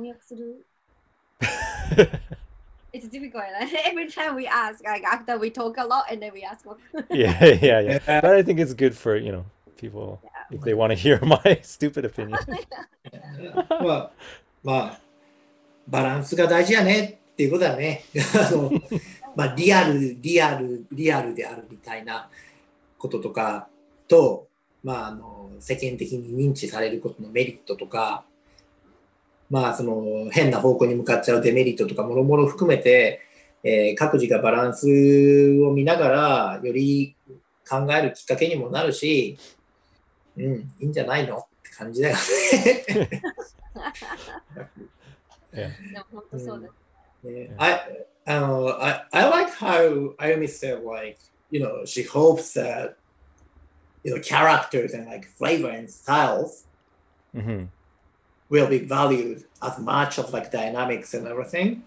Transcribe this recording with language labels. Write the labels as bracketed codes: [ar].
[en] Yeah. It's difficult. Every time we ask, like after we talk a lot and then we ask. Yeah. But I think it's good for, you know, people. Yeah. If they want to hear my stupid opinion. [ja] まあ、バランスが大事やねっていうことだね。まあ、リアルであるみたいなこととかと、まあ、世間的に認知されることのメリットとか、まあ、その変な方向に向かっちゃうデメリットとかもろもろ含めて、各自がバランスを見ながらより考えるきっかけにもなるし、うん、いいんじゃないのって感じだよね。でも本当そうだ。 [en] I like how Ayumi said, like, you know, she hopes that, you know, characters and like flavor and styles、 mm-hmm. will be valued as much of like dynamics and everything.